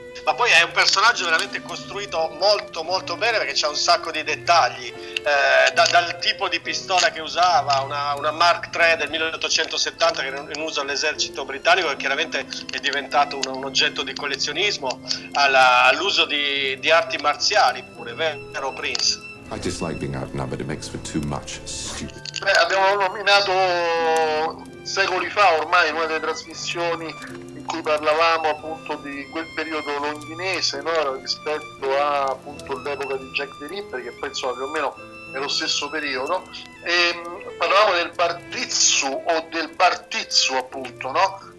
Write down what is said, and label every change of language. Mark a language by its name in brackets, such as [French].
[Italian] Ma poi è un personaggio veramente costruito molto molto bene, perché c'è un sacco di dettagli, dal tipo di pistola che usava, una Mark III del 1870 che era in uso all'esercito britannico, che chiaramente è diventato un oggetto di collezionismo, all'uso di arti marziali pure, vero Prince? [English] I dislike being outnumbered, it makes for too much stupid. [Italian] Beh, abbiamo nominato secoli fa ormai in una delle trasmissioni in cui parlavamo appunto di quel periodo londinese, no? Rispetto a appunto l'epoca di Jack the Ripper, che poi insomma più o meno è lo stesso periodo, e parlavamo del Bardizu o del Bartizu appunto, no?